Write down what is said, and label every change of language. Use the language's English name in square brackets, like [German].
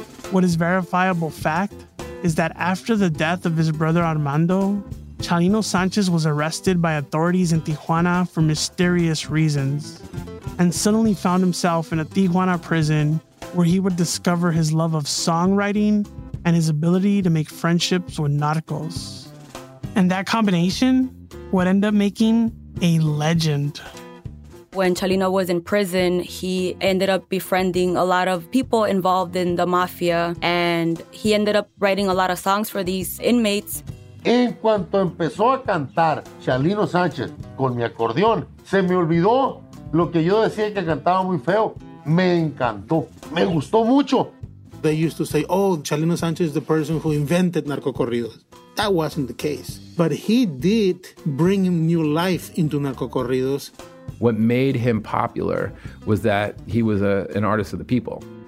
[English] What is verifiable fact is that after the death of his brother Armando, Chalino Sanchez was arrested by authorities in Tijuana for mysterious reasons, and suddenly found himself in a Tijuana prison where he would discover his love of songwriting and his ability to make friendships with narcos. And that combination would end up making a legend. When Chalino was in prison, he ended up befriending a lot of people involved in the mafia, and he ended up writing a lot of songs for these inmates. [Spanish] En cuanto empezó a cantar Chalino Sánchez con mi acordeón, se me olvidó lo que yo decía que cantaba muy feo. Me encantó. Me gustó mucho. [English] They used to say, oh, Chalino Sánchez is the person who invented narcocorridos. That wasn't the case. But he did bring new life into narcocorridos. What made him popular was that he was an artist of the people.